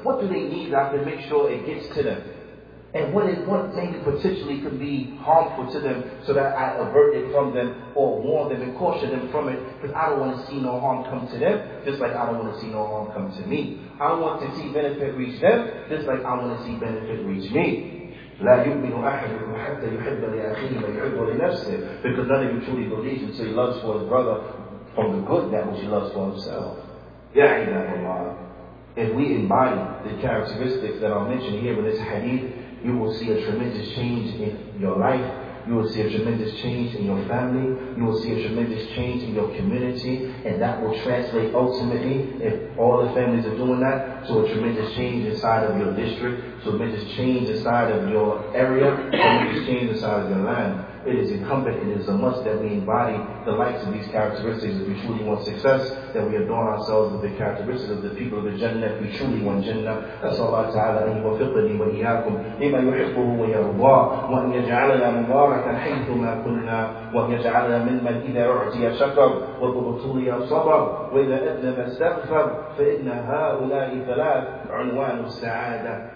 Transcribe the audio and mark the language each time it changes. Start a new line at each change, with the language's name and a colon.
English: What do they need that I can make sure it gets to them? And what is one thing that potentially could be harmful to them so that I avert it from them or warn them and caution them from it? Because I don't want to see no harm come to them, just like I don't want to see no harm come to me. I want to see benefit reach them, just like I want to see benefit reach me.
Arabic: لا يؤمن أحدكم حتى يحب لأخيه ما يحب لنفسه.
English: Because none of you truly believes until he loves for his brother from the good that which he loves for himself. Ya ibadallah. If we embody the characteristics that are mentioned here in this hadith, you will see a tremendous change in your life. You will see a tremendous change in your family. You will see a tremendous change in your community. And that will translate ultimately, if all the families are doing that, to a tremendous change inside of your district, to a tremendous change inside of your area, to a tremendous change inside of your land. It is incumbent, it is a must that we embody the likes of these characteristics if we truly want success, that we adorn ourselves with the characteristics of the people of the Jannah, if we truly want Jannah.
Arabic: أسأل الله تعالى أن يوفقني وإياكم لما يحبه ويرضاه وأن يجعلنا مباركا حيثما كنا وأن يجعلنا ممن إذا أعطي شكر وبطول صبر وإذا أذنب استغفر فإن هؤلاء ثلاث عنوان السعادة.